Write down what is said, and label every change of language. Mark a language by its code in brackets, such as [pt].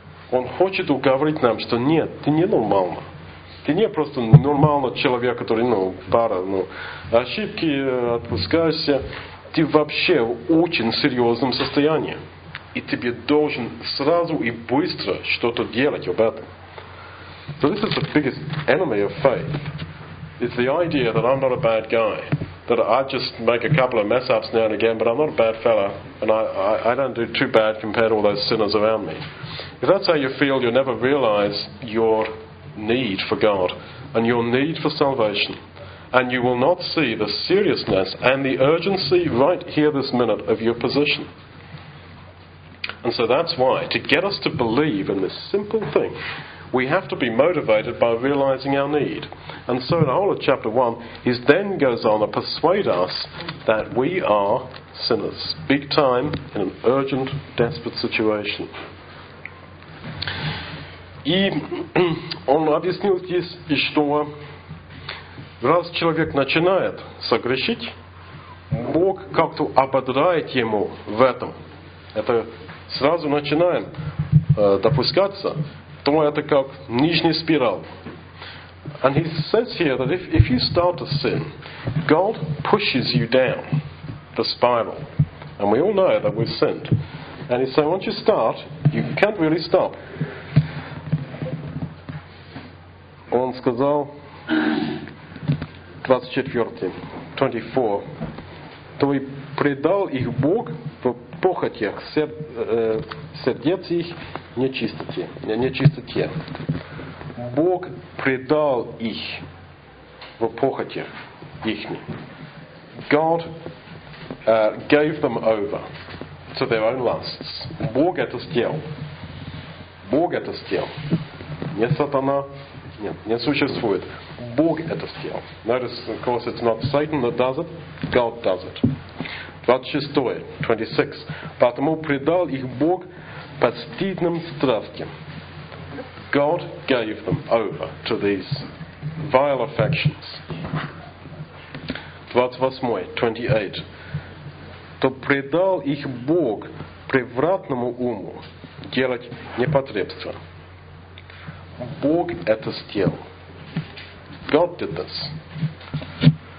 [ru] Он хочет уговорить нам, что нет, ты не нормальный. Ты не просто нормальный человек, который, ну, пара, ну, ошибки, отпускаешься. Ты вообще в очень серьезном состоянии. И тебе должен сразу и быстро что-то делать об этом. [en] So this is the biggest enemy of faith. It's the idea that I'm not a bad guy. That I just make a couple of mess ups now and again, but I'm not a bad fella. And I don't do too bad compared to all those sinners around me. If that's how you feel, you'll never realize your need for God and your need for salvation. And you will not see the seriousness and the urgency right here this minute of your position. And so that's why, to get us to believe in this simple thing, we have to be motivated by realizing our need. And so in the whole of chapter 1, he then goes on to persuade us that we are sinners, big time, in an urgent, desperate situation. [ru] И он объяснил здесь, что раз человек начинает согрешить, Бог как-то ободряет ему в этом. Это сразу начинаем допускаться, то это как нижняя спираль. [en] And he says here that if you start to sin, God pushes you down the spiral. And we all know that we've sinned. And he says, once you start, you can't really stop. [ru] Он сказал, 24, 24, то и предал их Бог в похотях сердец их нечистоте. Бог предал их в похотях их. [en] God gave them over to their own lusts. [ru] Бог это сделал. Бог это сделал. Не сатана. Нет, не существует. Бог это сделал. [en] Notice, of course, it's not Satan that does it. God does it. 26, 26. [ru] Потому предал их Бог постыдным страстям. [en] God gave them over to these vile affections. 28, 28. [ru] То предал их Бог превратному уму делать непотребство. Бог это сделал. [en] God did this.